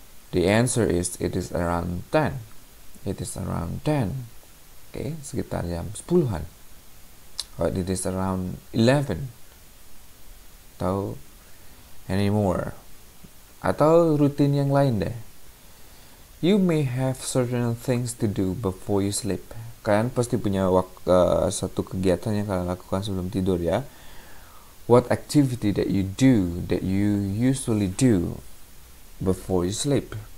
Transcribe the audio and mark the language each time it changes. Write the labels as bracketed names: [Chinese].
[English] The answer is it is around 10. Okay, [Indonesian] sekitar jam 10-an. [English] Or it is around 11 [Indonesian] atau [English] anymore, [Indonesian] atau rutin yang lain deh. [English] You may have certain things to do before you sleep. [Indonesian] Kalian pasti punya satu kegiatan yang kalian lakukan sebelum tidur ya. [English] What activity that you usually do before you sleep?